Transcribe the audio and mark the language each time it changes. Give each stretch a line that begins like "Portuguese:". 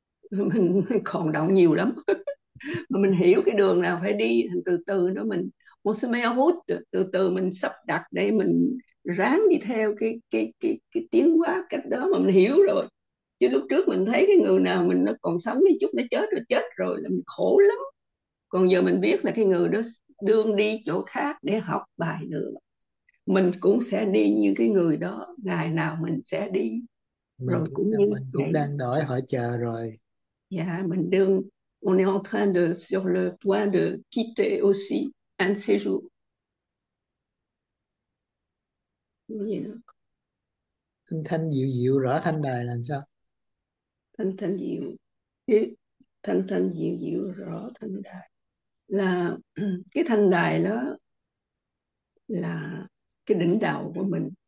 Vietnamese: Mình còn động nhiều lắm mà mình hiểu cái đường nào phải đi, từ từ đó mình
French: on se met en route,
Vietnamese: từ từ mình sắp đặt để mình ráng đi theo cái tiến hóa cách đó mà mình hiểu rồi, chứ lúc trước mình thấy cái người nào mình nó còn sống cái chút nó chết rồi, chết rồi là mình khổ lắm, còn giờ mình biết là cái người đó đương đi chỗ khác để học bài nữa, mình cũng sẽ đi như cái người đó, ngày nào mình sẽ đi, mình rồi cũng cũng đang như vậy. đợi họ chờ rồi. Dạ, mình đương,
French: on est en train de, sur le point de quitter aussi un séjour.
Vietnamese: Thanh thanh dịu dịu rõ thanh đài là sao? Thanh thanh dịu, cái thanh thanh dịu dịu rõ thanh đài là cái thanh đài đó là cái đỉnh đầu của mình.